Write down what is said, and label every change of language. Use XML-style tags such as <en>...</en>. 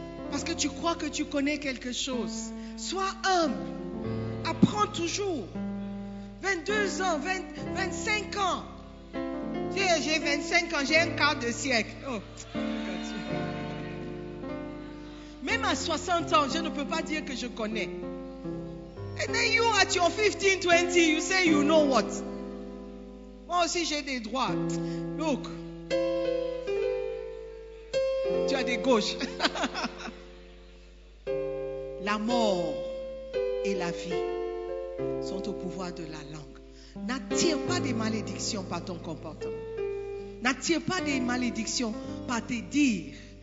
<fr>Parce que tu crois que tu connais quelque chose. Sois humble. Apprends toujours. 22 ans, 25 ans. J'ai 25 ans, j'ai un quart de siècle. Oh. Même à 60 ans, je ne peux pas dire que je connais.</fr> <en>And then you at your 15, 20, you say you know what.</en> <fr>Moi aussi j'ai des droits.</fr> <en>Look.</en> <fr>Tu as des gauches. La mort et la vie sont au pouvoir de la langue. N'attire pas des malédictions par ton comportement. N'attire pas des malédictions par tes dires.</fr>